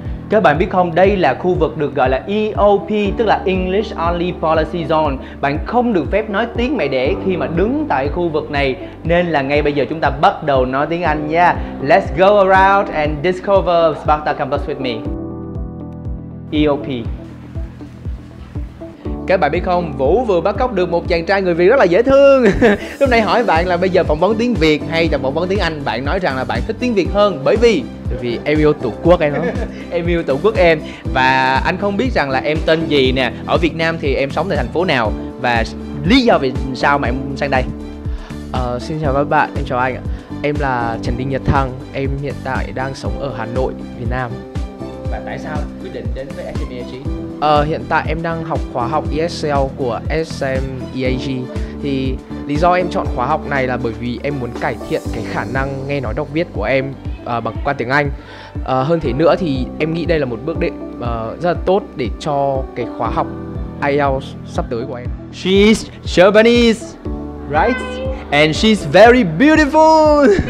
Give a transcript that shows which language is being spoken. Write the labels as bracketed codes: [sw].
[vi] Các bạn biết không, đây là khu vực được gọi là EOP, tức là English Only Policy Zone. Bạn không được phép nói tiếng mẹ đẻ khi mà đứng tại khu vực này. Nên là ngay bây giờ chúng ta bắt đầu nói tiếng Anh nha. [en] Let's go around and discover Sparta Campus with me. EOP. [vi] Các bạn biết không, Vũ vừa bắt cóc được một chàng trai người Việt rất là dễ thương. Lúc nãy hỏi bạn là bây giờ phỏng vấn tiếng Việt hay là phỏng vấn tiếng Anh, bạn nói rằng là bạn thích tiếng Việt hơn, bởi vì em yêu tổ quốc em. Em yêu tổ quốc em. Và anh không biết rằng là em tên gì nè, ở Việt Nam thì em sống tại thành phố nào và lý do vì sao mà em sang đây. Xin chào các bạn, em chào anh ạ. Em là Trần Đinh Nhật Thăng, em hiện tại đang sống ở Hà Nội, Việt Nam. Và tại sao quyết định đến với SMEAG? Hiện tại em đang học khóa học ESL của SMEAG. Thì lý do em chọn khóa học này là bởi vì em muốn cải thiện cái khả năng nghe nói đọc viết của em bằng qua tiếng Anh. Hơn thế nữa thì em nghĩ đây là một bước đệm rất là tốt để cho cái khóa học IELTS sắp tới của em. [en] She's Japanese, right? And she's very beautiful.